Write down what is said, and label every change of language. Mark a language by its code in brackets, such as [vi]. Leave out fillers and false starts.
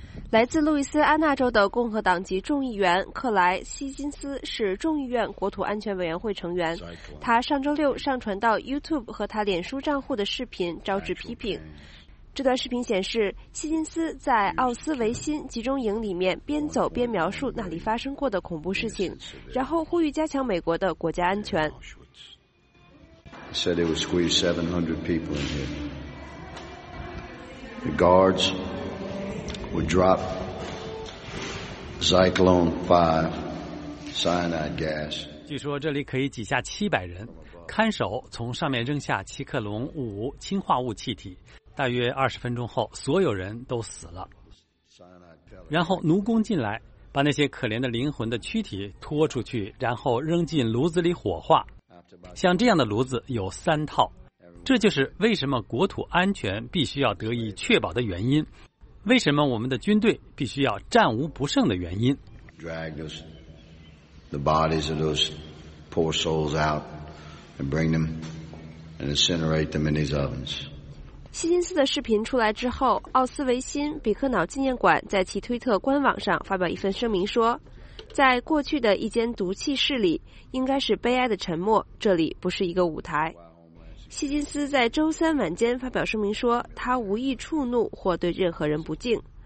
[zh] 来自路易斯安那州的共和党籍众议员克莱·希金斯是众议院国土安全委员会成员，他上周六上传到 YouTube 和他脸书账户的视频招致批评。这段视频显示，希金斯在奥斯维辛集中营里面边走边描述那里发生过的恐怖事情，然后呼吁加强美国的国家安全。 [en] Said it would squeeze 700 people in here. The guards would drop Zyklon 5 cyanide gas. [zh] 据说这里可以挤下700人，看守从上面扔下奇克隆5氰化物气体。大约20分钟后，所有人都死了。然后奴工进来，把那些可怜的灵魂的躯体拖出去，然后扔进炉子里火化。像这样的炉子有3套，这就是为什么国土安全必须要得以确保的原因，为什么我们的军队必须要战无不胜的原因。 [en] Drag those, the bodies of those poor souls out and bring them and incinerate them in these ovens. [zh] 希金斯的视频出来之后，奥斯维辛比克瑙纪念馆在其推特官网上发表一份声明说，在过去的一间毒气室里应该是悲哀的沉默，这里不是一个舞台。希金斯在周三晚间发表声明说，他无意触怒或对任何人不敬。